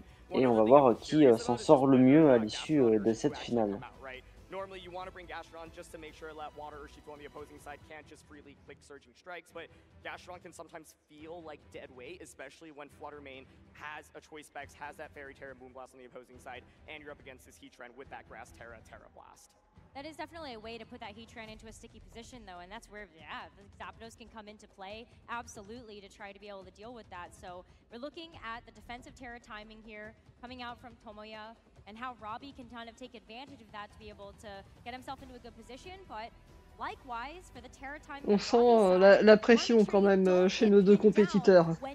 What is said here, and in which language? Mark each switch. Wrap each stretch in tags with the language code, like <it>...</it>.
<fr>Et on va voir qui s'en sort le mieux à l'issue de cette finale.</fr> <en>Normally you want to bring Gastrodon just to make sure that Water Urshifu on the opposing side can't just freely click surging strikes, but Gastrodon can sometimes feel like dead weight, especially when Fluttermane has a choice specs, has that Fairy Terra Moonblast on the opposing side, and you're up against this Heatran with that Grass Terra Terra Blast. That is definitely a way to put that Heatran into a sticky position though, and that's where, yeah, the Zapdos can come into play, absolutely, to try to be able to deal with that. So we're looking at the defensive Terra timing here, coming out from Tomoya, and how Robbie can kind of take advantage of that to be able to get himself into a good position, but likewise for the Terra time.</en> <fr>On sent la pression quand même chez nos deux compétiteurs.</fr>